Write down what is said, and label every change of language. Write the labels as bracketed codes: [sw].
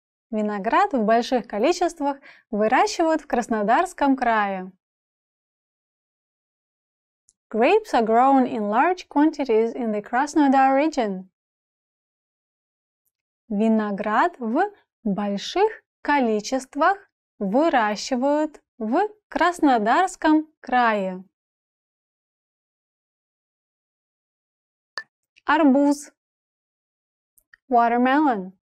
[ru] Виноград в больших количествах выращивают в Краснодарском крае. [en] Grapes are grown in large quantities in the Krasnodar region. [ru] Виноград в больших количествах выращивают в Краснодарском крае. Арбуз. Watermelon.